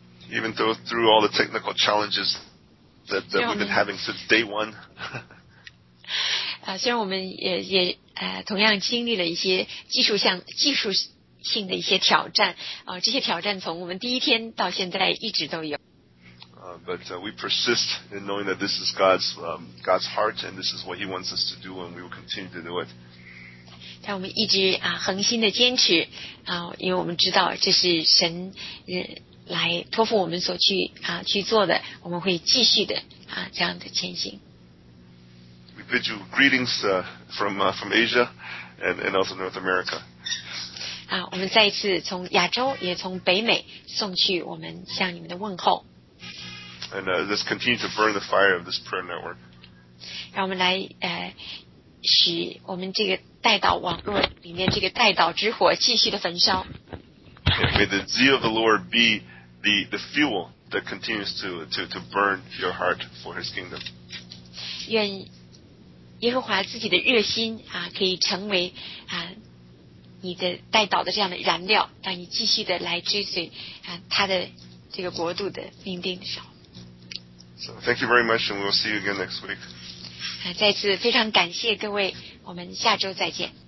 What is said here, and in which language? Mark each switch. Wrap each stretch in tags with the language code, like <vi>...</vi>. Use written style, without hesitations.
<en>Even though through all the technical challenges that we've been having since day one.</en> <zh>虽然我们也同样经历了一些技术性的一些挑战啊，这些挑战从我们第一天到现在一直都有。</zh> <en>But we persist in knowing that this is God's heart and this is what He wants us to do, and we will continue to do it.</en> <zh>但我们一直啊恒心的坚持啊，因为我们知道这是神来托付我们所去啊去做的，我们会继续的啊这样的前行。</zh> <en>We bid you greetings from Asia and also North America.</en> <zh>我们再一次从亚洲也从北美送去我们向你们的问候。</zh> <en>And let's continue to burn the fire of this prayer network.</en> <zh>让我们来使我们这个代祷网络里面这个代祷之火继续的焚烧。</zh> <en>Yeah, may the zeal of the Lord be the fuel that continues to burn your heart for His kingdom.</en> <zh>愿耶和华自己的热心啊可以成为啊你的带导的这样的燃料，让你继续的来追随他的这个国度的命定的时候。</zh> <en>So thank you very much, and we'll see you again next week.</en> <zh>再次非常感谢各位，我们下周再见。</zh>